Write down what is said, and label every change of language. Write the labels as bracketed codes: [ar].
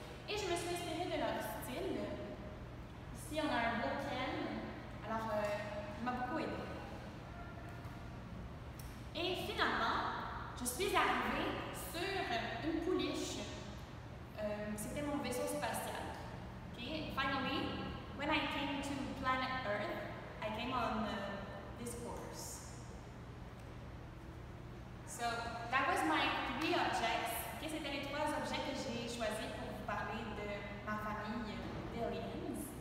[fr] Et je me suis inspirée de leur style. Ici, on a un beau Ken. Alors, il m'a beaucoup aidé. Et finalement, je suis arrivée sur une pouliche. C'était mon vaisseau spatial. Okay. [en] Finally, when I came to planet Earth, I came on this course. So, that was my three objects. [fr] Okay, c'était les trois objets que j'ai choisis pour vous parler de ma famille d'aliens.